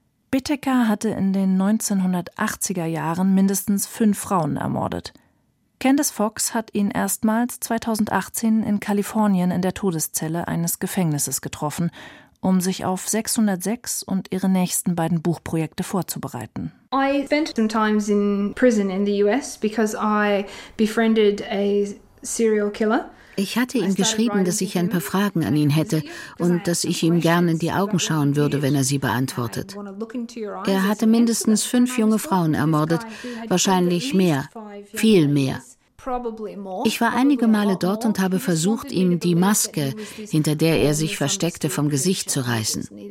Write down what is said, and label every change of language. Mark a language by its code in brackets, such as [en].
[de] Bittaker hatte in den 1980er Jahren mindestens 5 Frauen ermordet. Candice Fox hat ihn erstmals 2018 in Kalifornien in der Todeszelle eines Gefängnisses getroffen, um sich auf 606 und ihre nächsten beiden Buchprojekte vorzubereiten. [en] I spent some time in prison in the US because I befriended a serial killer. [de] Ich hatte ihm geschrieben, dass ich ein paar Fragen an ihn hätte und dass ich ihm gerne in die Augen schauen würde, wenn er sie beantwortet. Er hatte mindestens 5 junge Frauen ermordet, wahrscheinlich mehr, viel mehr. Ich war einige Male dort und habe versucht, ihm die Maske, hinter der er sich versteckte, vom Gesicht zu reißen.